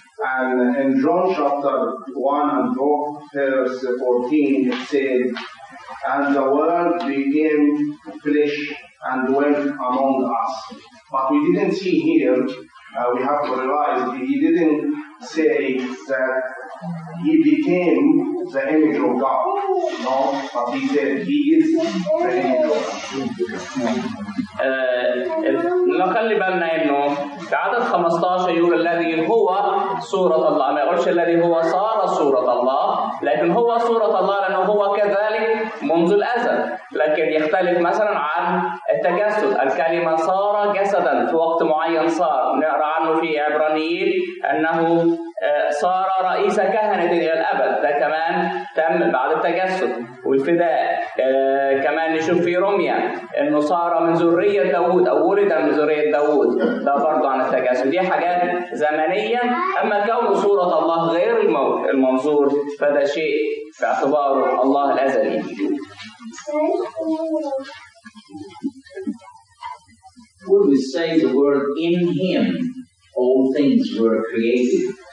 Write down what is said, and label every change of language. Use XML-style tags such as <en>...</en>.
<en>And in John chapter 1 and verse 14, it says, and the Word became flesh and dwelt among us. But we didn't see here, we have to realize, he didn't say that he became the image of God. No, but he said he is the image of God.</en> <ar>نخلي بالنا انه في عدد 15 يقول الذي هو صورة الله ما يقولش الذي هو صار صورة الله لكن هو صورة الله لأنه هو كذلك منذ الأزل لكن يختلف مثلا عن التجسد الكلمة صار جسدا في وقت معين صار نقرأ عنه في عبرانيين أنه صار رئيس كهنة إلى الأبد ده كمان تم بعد التجسد والفداء كمان نشوف في روميا أنه صار من ذرية داود أو ولد من ذرية داود ده برضه عن التجسد دي حاجات زمنية أما كون صورة الله غير المنظور فده شيء في اعتباره الله الأزلي</ar> <en>When we say the word in him, all things were created.</en>